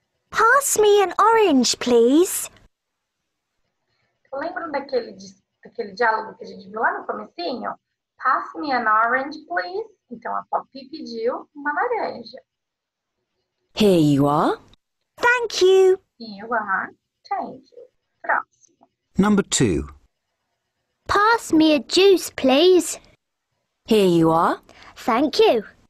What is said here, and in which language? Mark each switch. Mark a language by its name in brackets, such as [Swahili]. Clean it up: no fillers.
[English] Pass me an orange, please. [Portuguese] Então, lembra daquele diálogo que a gente viu lá no comecinho? [English] Pass me an orange, please. [Portuguese] Então a Poppy pediu uma laranja. [English] Here you are. Thank you. You are. Thank you. Próximo. Number 2. Pass me a juice, please. Here you are. Thank you.